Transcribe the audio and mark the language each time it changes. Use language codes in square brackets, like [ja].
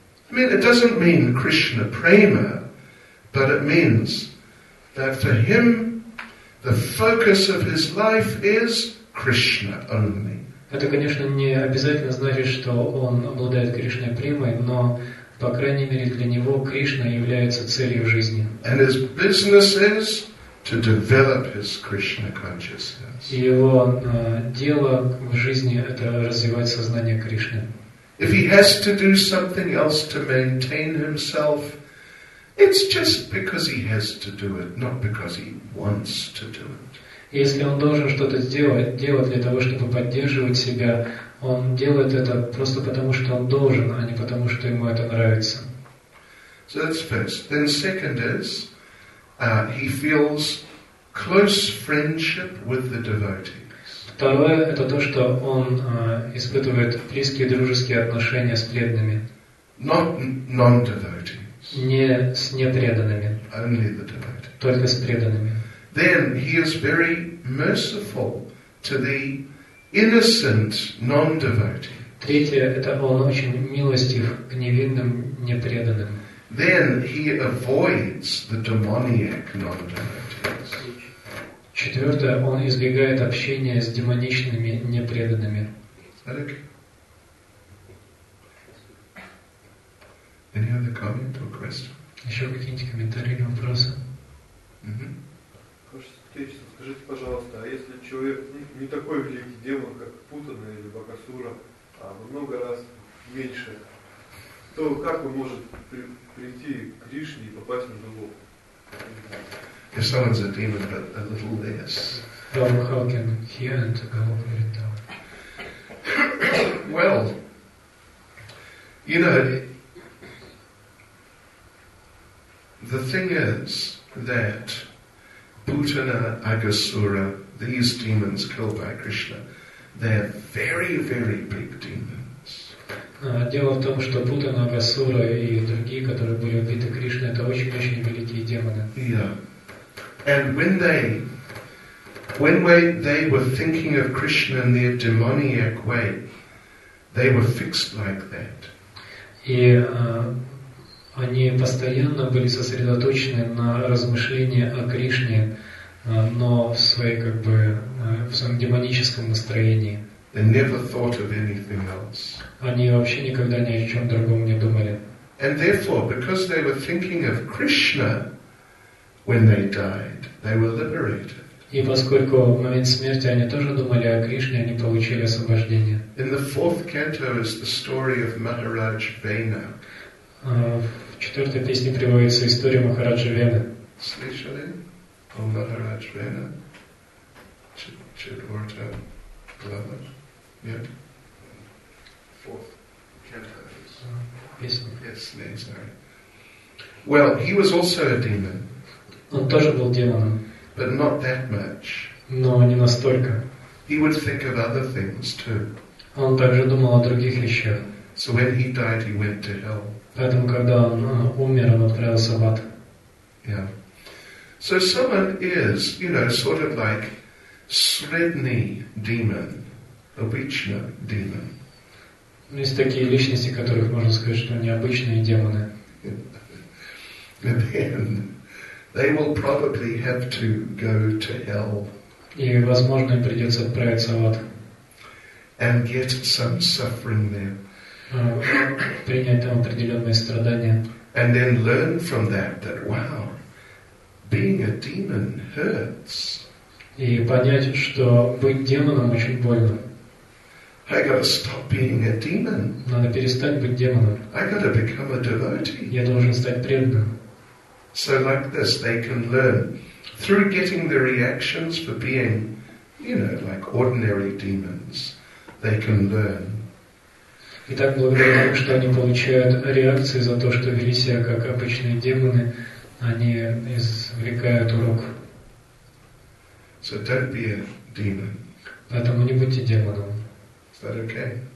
[en] I mean, it doesn't mean Krishna prema, but it means that for him the focus of his life is Krishna only. [ru] Это, конечно, не обязательно значит, что он обладает Кришной премой, но по крайней мере для него Кришна является целью жизни. [en] And his business is to develop his Krishna consciousness. [ru] Его дело в жизни – это развивать сознание Кришны. [en] If he has to do something else to maintain himself, it's just because he has to do it, not because he wants to do it. [ru] Если он должен что-то делать для того, чтобы поддерживать себя, он делает это просто потому, что он должен, а не потому, что ему это нравится. [en] So that's first. Then second is, he feels close friendship with the devotees. [ru] Второе это то, что он испытывает близкие дружеские отношения с преданными. [en] Not non-devotees. [ru] Не с непреданными. [en] Only the devotees. [ru] Только с преданными. [en] Then he is very merciful to the innocent non-devotees. [ru] Третье это он очень милостив к невинным непреданным. [en] Then he avoids the demoniac non-devotees. [ru] Четвертое, он избегает общения с демоничными непреданными. [en] Okay. Any other comment or question? [ru] Еще какие-нибудь комментарии или вопросы? Mm-hmm. Скажите, пожалуйста, а если человек не такой великий демон, как Путана или Бакасура, а много раз меньше, то как он может прийти к Кришне и попасть на него? [en] If someone's a demon, but a little less. Well, how can he enter Govinda? Well, you know, the thing is that Putana, Agasura, these demons killed by Krishna, They are very, very big demons. [ru] Дело в том, что Путана, Асура и другие, которые были убиты Кришной, это очень-очень великие демоны. [en] Yeah. And when they were thinking of Krishna in their demoniac way, they were fixed like that. [ru] И они постоянно были сосредоточены на размышлении о Кришне, но в своей как бы в своем демоническом настроении. [en] They never thought of anything else. [ru] Они вообще никогда ни о чем другом не думали. [en] And therefore, because they were thinking of Krishna when they died, they were liberated. [ru] И поскольку в момент смерти они тоже думали о Кришне, они получили освобождение. [en] In the fourth canto is the story of Maharaj Vena. [ru] В четвертой песне приводится история Махараджа Вены. Слышали? О Махарадж Вена? Четвертая глава? Нет? [en] Fourth canto is... [ru] Песня. [en] Yes, name, sorry. Well, he was also a demon. [ru] Он тоже был демоном. [en] But not that much. [ru] Но не настолько. [en] He would think of other things too. [ru] Он также думал о других вещах. [en] So when he died, he went to hell. [ru] Поэтому когда он умер, он отправился в ад. [en] Yeah. So someone is, you know, sort of like Sredni demon, [ru] обычно [en] demon. [ru] Есть такие личности, которых можно сказать, что они обычные демоны. [en] They will probably have to go to hell. [ru] И, возможно, им придется отправиться в ад. [en] And get some suffering there. [ru] Принять там определенные страдания. [en] And then learn from that wow, being a demon hurts. [ru] И понять, что быть демоном очень больно. [en] I gotta stop being a demon. [ru] Надо перестать быть демоном. [en] I gotta become a devotee. [ru] Я должен стать преданным. [en] So like this, they can learn through getting the reactions for being, you know, like ordinary demons. They can learn. [ru] И так благодаря тому, что они получают реакции за то, что вели себя как обычные демоны, они извлекают урок. [en] So don't be a demon. [ru] Поэтому не будьте демоном. [en] Is that okay?